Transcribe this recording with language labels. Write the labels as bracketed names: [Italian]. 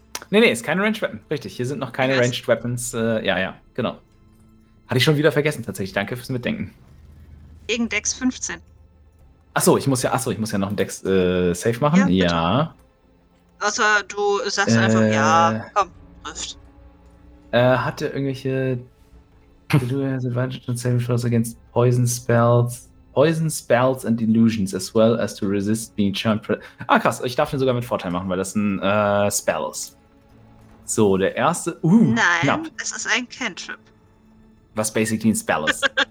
[German] Nee, ist keine Ranged Weapon. Richtig, hier sind noch keine Ranged Weapons. Ja, genau. Hatte ich schon wieder vergessen, tatsächlich. Danke fürs Mitdenken. Gegen Dex 15. Achso, ich muss ja noch einen Dex safe machen. Ja. Außer du sagst einfach, ja, komm, trifft. Hat der irgendwelche. [English] Did you have advantage on saving throws against poison spells? Poison spells and illusions as well as to resist being charmed. [German] Ah, krass, ich darf den sogar mit Vorteil machen, weil das ein Spell ist. So, der erste. Nein, knapp. Es ist ein Cantrip. Was basically ein Spell ist.